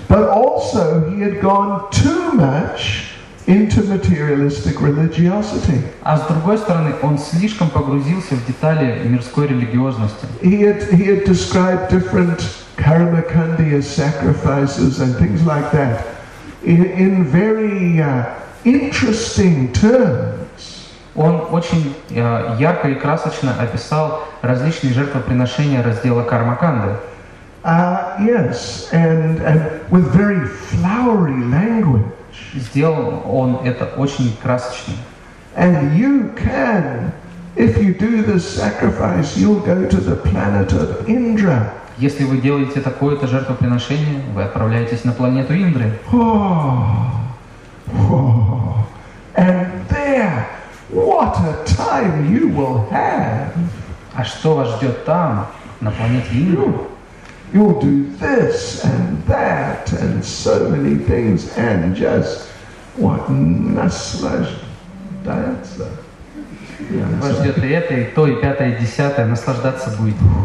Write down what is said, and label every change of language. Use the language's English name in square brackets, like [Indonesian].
[English] But also he had gone too much into materialistic religiosity. [Russian] А с другой стороны, он слишком погрузился в детали мирской религиозности. [English] He had described different karma kandiya sacrifices and things like that in very interesting terms. [Russian] Он очень ярко и красочно описал различные жертвоприношения раздела карма канды. [English] Yes, and with very flowery language. [Russian] Сделал он это очень красочно. [English] And you can, if you do this sacrifice, you'll go to the planet of Indra. [Russian] Если вы делаете такое-то жертвоприношение, вы отправляетесь на планету Индры. Oh, oh. [English] And there, what a time you will have. [Russian] А что вас ждет там, на планете Индры? [English] You'll do this and that and so many things and just what [Russian] наслаждаться. Вас ждет и это, и то, и пятое, и десятое, наслаждаться будет.